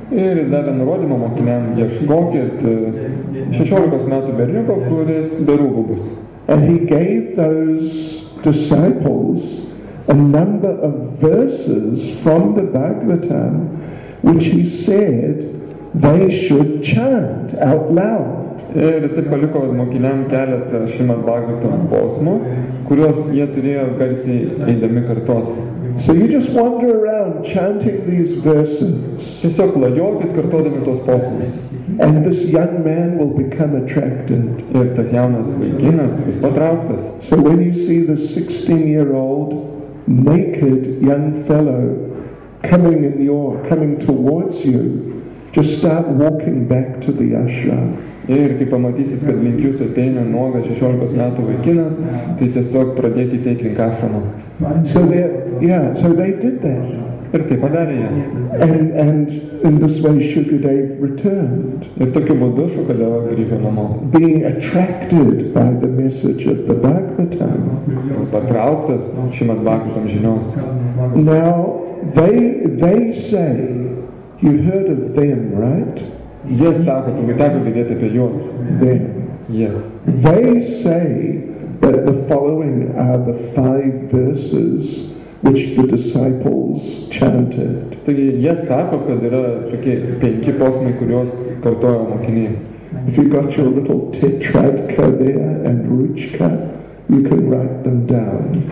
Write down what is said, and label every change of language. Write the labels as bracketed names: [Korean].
[Lithuanian] Ir jis davė nurodymą mokiniam, ieškokit 16 metų berniuko, kuris be rūbų bus. [English] And he gave those disciples a number of verses from the Bhagavatam, which he said they should chant out loud. [Lithuanian] Ir jis paliko mokiniam keletą Šrimad Bhagavatam posmų, kuriuos jie turėjo garsiai eidami kartoti. [English] So you just wander around chanting these verses. [Lithuanian] Tiesiog klajokit kartodami tuos posmus. [English] And this young man will become attracted. [Lithuanian] Ir tas jaunas vaikinas bus patrauktas. [English] So when you see the 16-year-old naked young fellow coming towards you, just start walking back to the ashram. [Lithuanian] Ir kai pamatysit, kad link jūsų ateina nuogas 16 metų vaikinas, tai tiesiog pradėkite eiti link ašramo. [English] So they did that. [Lithuanian] Ir tai padarė jie. [English] And in this way Shukadeva returned. [Lithuanian] Ir tokiu būdu Shukadeva grįžo namo. [English] Being attracted by the message of the Bhagavatam. [Lithuanian] Patrauktas Šrimad Bhagavatam žinios. [English] Now they say, you've heard of them, right? [Lithuanian] Jis sako, tu būtų teko girdėti apie juos. [English] Them. Yeah. They say that the following are the five verses which the disciples chanted. [Lithuanian] Taigi jie sako, kad yra tokie penki posmai, kuriuos kartojo mokiniai. [English] If you got your little tetradka there and ruchka, you can write them down.